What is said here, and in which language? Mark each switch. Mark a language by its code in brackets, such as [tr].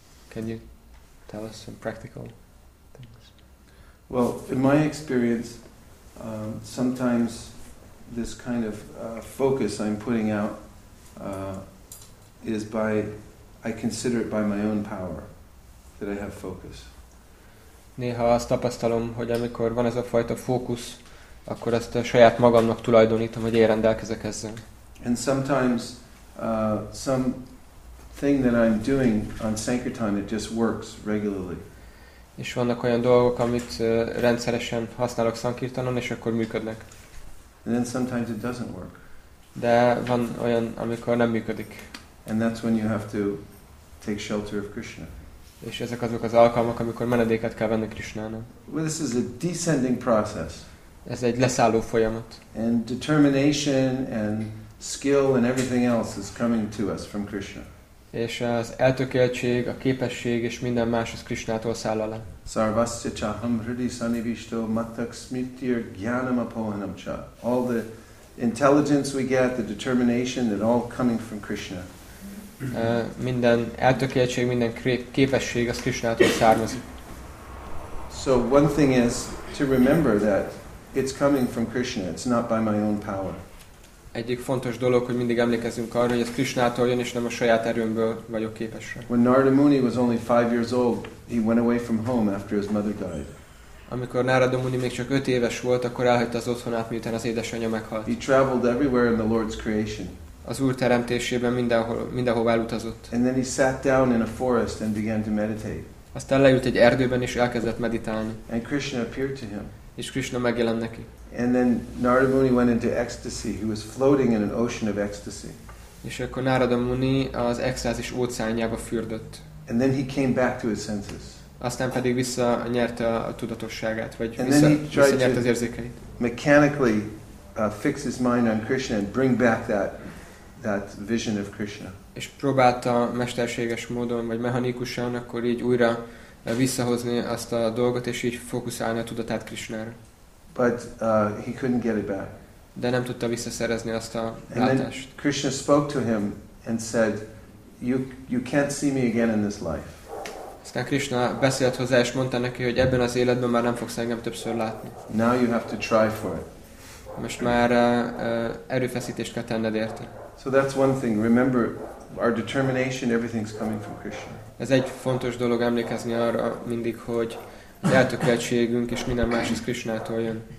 [en] Can you tell us some practical things? Well, in my experience, sometimes this kind of focus I'm putting out is by, I consider it by my own power that I have focus. [hu] Néha azt tapasztalom, hogy amikor van ez a fajta fókusz, akkor ezt a saját magamnak tulajdonítom, hogy én rendelkezek ezzel. [en] And sometimes some thing that I'm doing on Sankirtan, it just works regularly. [hu] És vannak olyan dolgok, amit rendszeresen használok Sankirtanon, és akkor működnek. [en] And then sometimes it doesn't work. [hu] De van olyan, amikor nem működik. [en] And that's when you have to take shelter of Krishna. [hu] És ezek azok az alkalmak, amikor menedéket kell venni Krishnának. [en] Well, this is a descending process. [hu] Ez egy leszálló folyamat. [en] And determination and skill and everything else is coming to us from Krishna. [hu] És az eltökéltség, a képesség és minden más az Krishnától száll alá. [sa] Sarvasya chaham hridi sannivishto matak smritir gyanam apohanam cha. [en] All the intelligence we get, the determination, it all coming from Krishna. [hu] Minden eltökéltség, minden képesség az Krishnától származik. [en] So one thing is to remember that it's coming from Krishna, it's not by my own power. [hu] Egyik fontos dolog, hogy mindig emlékezzünk arra, hogy ez Krishnától jön, és nem a saját erőmből vagyok képes. [en] When Narada Muni was only 5 years old, he went away from home after his mother died. [hu] Amikor Narada Muni még csak 5 éves volt, akkor elhagyta az otthonát, miután az édesanyja meghalt. [en] He traveled everywhere in the Lord's creation. [hu] Az Úr teremtésében mindenhova elutazott. [en] And then he sat down in a forest and began to meditate. [hu] Aztán leült egy erdőben és elkezdett meditálni. [en] And Krishna appeared to him. [hu] És Krishna megjelen neki. [en] And then Narada Muni went into ecstasy. He was floating in an ocean of ecstasy. [hu] És akkor Narada Muni az extázis óceánjába fürdött. [en] And then he came back to his senses. [hu] Aztán pedig visszanyerte a tudatosságát, vagy visszanyerte az érzékeit. [en] Mechanically fix his mind on Krishna and bring back that vision of Krishna. [hu] És próbálta mesterséges módon, vagy mechanikusan, akkor így újra visszahozni azt a dolgot, és így fókuszálni a tudatát Krishnára. [en] But he couldn't get it back. [hu] De nem tudta visszaszerezni azt a látást. [en] And then Krishna spoke to him and said, you can't see me again in this life. [hu] Aztán Krishna beszélt hozzá, és mondta neki, hogy ebben az életben már nem fogsz engem többször látni. [en] Now you have to try for it. [hu] Most már erőfeszítést kell tenned érte. [en] So that's one thing. Remember, our determination, everything's coming from Krishna. [hu] Ez egy fontos dolog emlékezni arra mindig, hogy eltökéltségünk és minden más is Krishnától jön.